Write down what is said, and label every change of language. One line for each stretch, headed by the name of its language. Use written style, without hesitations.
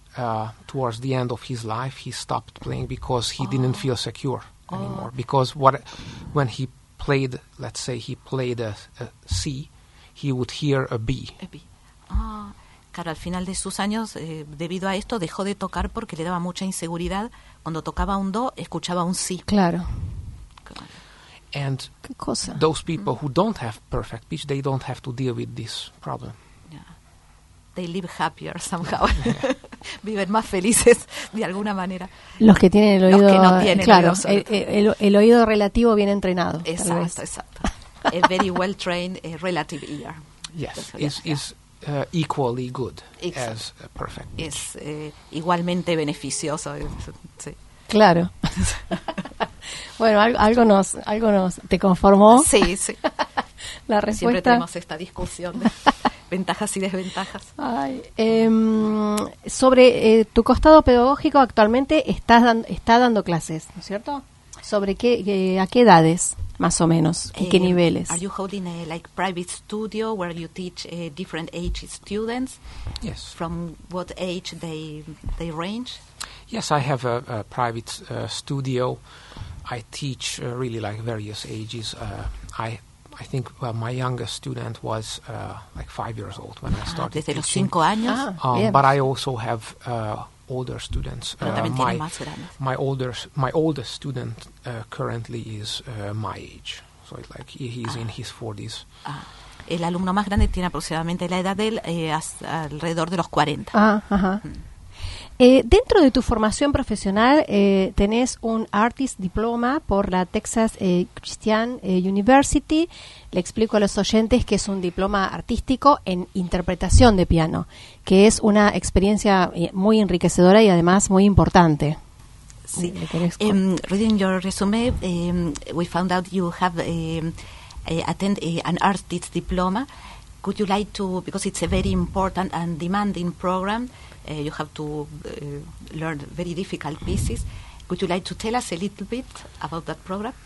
English: Towards the end of his life, he stopped playing because he didn't feel secure anymore. Because when he played, let's say he played a C, he would hear a B. A B.
Spanish: Claro, al final de sus años, debido a esto, dejó de tocar porque le daba mucha inseguridad. Cuando tocaba un do, escuchaba un si. Claro.
English: And
Spanish: ¿qué cosa?
English: Those people who don't have perfect pitch, they don't have to deal with this problem. They live happier somehow.
Spanish: Viven más felices de alguna manera. Los que tienen el oído, los que no tienen, claro, el oído relativo bien entrenado. Exacto, exacto.
English: A very well trained relative ear. Yes, is equally good,
Spanish: exacto,
English: as perfect.
Spanish: Es igualmente beneficioso. Sí. Claro. Bueno, algo nos te conformó. Sí, sí. La respuesta. Siempre tenemos esta discusión. Ventajas y desventajas. Ay, sobre tu costado pedagógico, actualmente está dando clases, ¿no es cierto? ¿Sobre qué, a qué edades, más o menos, y qué niveles?
English: Are you holding a like private studio where you teach different age students? Yes. From what age they range? Yes, I have a private studio. I teach really like various ages. I think my youngest student was like 5 years old when I started
Spanish: desde
English: teaching.
Spanish: Los 5 años.
English: But I also have older students. My oldest student currently is my age. So it's like he's in his 40s.
Spanish: El alumno más grande tiene aproximadamente la edad de él, alrededor de los 40. Dentro de tu formación profesional tenés un artist diploma por la Texas Christian University. Le explico a los oyentes que es un diploma artístico en interpretación de piano, que es una experiencia muy enriquecedora y además muy importante. Sí.
English: Reading your resume, we found out you have attend an artist diploma. Could you like to, because it's a very important and demanding program. You have to learn very difficult pieces. Would you like to tell us a little bit about that program?